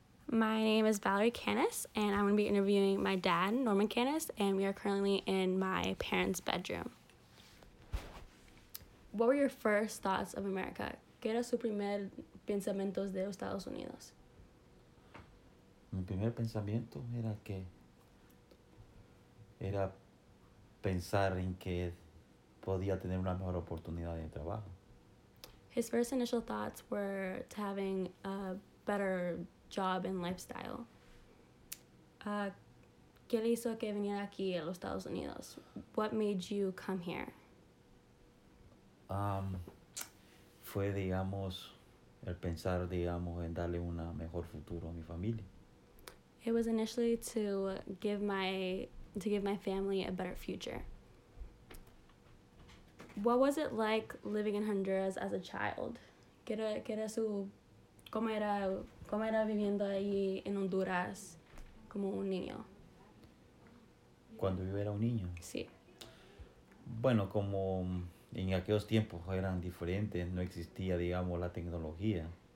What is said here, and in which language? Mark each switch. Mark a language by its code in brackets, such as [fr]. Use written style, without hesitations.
[en] My name is Valerie Canis, and I'm going to be interviewing my dad, Norman Canis, and we are currently in my parents' bedroom. What were your first thoughts of America? [es] ¿Qué era su primer pensamiento de Estados Unidos? Mi primer pensamiento era que era pensar en que podía tener una mejor oportunidad de trabajo. [en] His first initial thoughts were to having a better job and lifestyle. [es] ¿Qué le hizo que viniera aquí a los Estados Unidos? [en] What made you come here? [es] Fue, digamos, el pensar, digamos, en darle un mejor futuro a mi familia. [en] It was initially to give my family a better future. What was it like living in Honduras as a child? [es] ¿Cómo era viviendo ahí en Honduras como un niño? ¿Cuando yo era un niño? Sí. Bueno, como en aquellos tiempos eran diferentes, no existía, digamos, la tecnología.